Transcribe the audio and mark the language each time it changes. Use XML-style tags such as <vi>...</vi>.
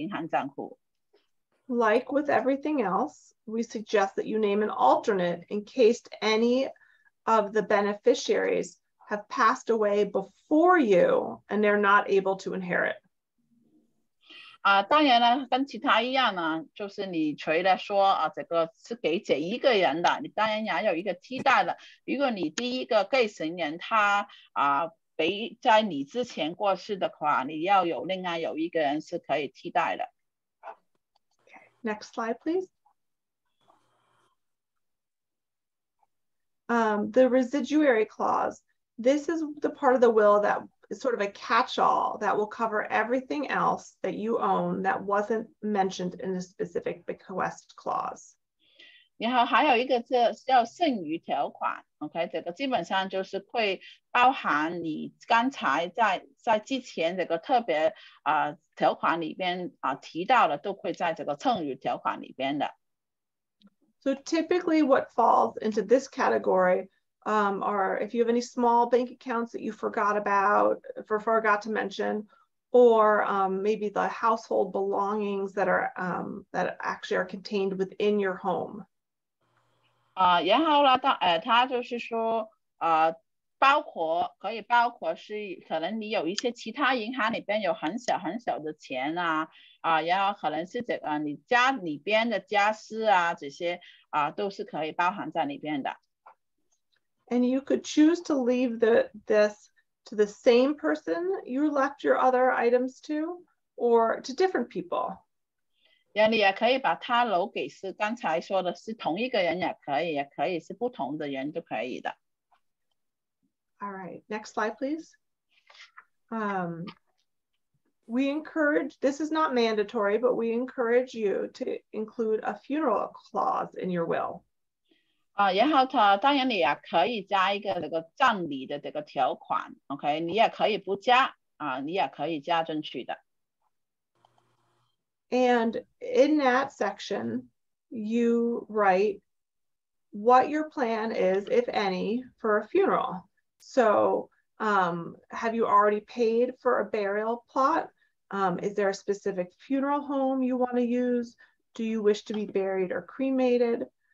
<zh>通常这些人家里边列出来的就是会是他的房子啊、车啊、银行账户啊，然后还有可能其他特殊有意义的物本，就是这样，有可能是从上上上上一代继承下来的这个可能结婚戒指啊这些，可是通常主要的就是房子、车还有银行账户。</zh> <en>Like with everything else, we suggest that you name an alternate in case any of the beneficiaries have passed away before you and they're not able to inherit.</en> <zh>当然了，跟其他一样呢，就是你除了说啊，这个是给这一个人的，你当然也有一个期待的。如果你第一个继承人他啊，被在你之前过世的话，你要有另外有一个人是可以替代的。</zh> <en>Next slide, please. The residuary clause. This is the part of the will that is sort of a catch-all that will cover everything else that you own that wasn't mentioned in the specific bequest clause.</en> <zh>然后还有一个叫剩余条款 ，OK， 这个基本上就是会包含你刚才在之前这个特别条款里边提到的，都会在这个剩余条款里边的。</zh> <en>So typically, what falls into this category are if you have any small bank accounts that you forgot to mention, or maybe the household belongings that actually are contained within your home.</en> <zh>然后呢，他就是说，包括是可能你有一些其他银行里边有很小很小的钱啊，然后可能是这个你家里边的家私啊，这些都是可以包含在里边的。</zh> <en>And you could choose to leave this to the same person you left your other items to, or to different people.</en> <zh>然后你也可以把它留给是刚才说的是同一个人，也可以是不同的人都可以的。</zh> <en>All right, next slide, please. We encourage, this is not mandatory, but we encourage you to include a funeral clause in your will.</en> <zh>然后它当然你也可以加一个这个葬礼的这个条款 ，OK， 你也可以不加你也可以加进去的。</zh> <en>And in that section, you write what your plan is, if any, for a funeral. So, have you already paid for a burial plot? Is there a specific funeral home you want to use? Do you wish to be buried or cremated?</en>